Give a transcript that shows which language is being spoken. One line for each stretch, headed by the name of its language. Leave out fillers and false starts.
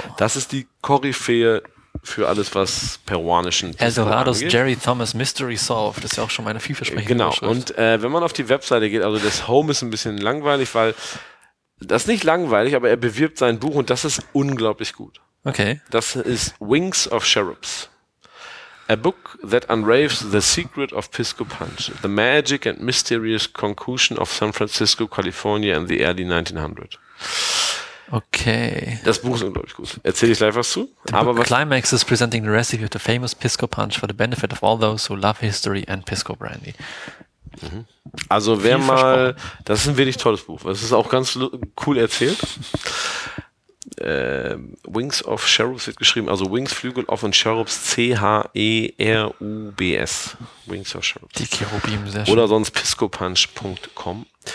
German: Das ist die Koryphäe für alles, was peruanischen Pisco angeht. Eldorados Jerry Thomas Mystery Solved. Das ist ja auch schon meine vielversprechende Genau. Schrift. Und wenn man auf die Webseite geht, also das Home ist ein bisschen langweilig, weil das ist nicht langweilig, aber er bewirbt sein Buch und das ist unglaublich gut. Okay. Das ist Wings of Cherubs.
English: A book that unravels the secret of Pisco Punch. The magic and mysterious concoction of San Francisco, California in the early 1900s. Okay.
German: Das Buch ist unglaublich gut. Erzähle ich gleich was zu. Aber was
English: Climax is presenting the recipe of the famous Pisco Punch for the benefit of all those who love history and Pisco Brandy. Mhm.
German: Also wer Viel mal, das ist ein wirklich tolles Buch. Es ist auch ganz cool erzählt. Wings of Cherubs wird geschrieben. Also Wings, Flügel of and Cherubs. C-H-E-R-U-B-S. Wings of Cherubs. Die Cherubim, sehr schön. Oder sonst piscopunch.com.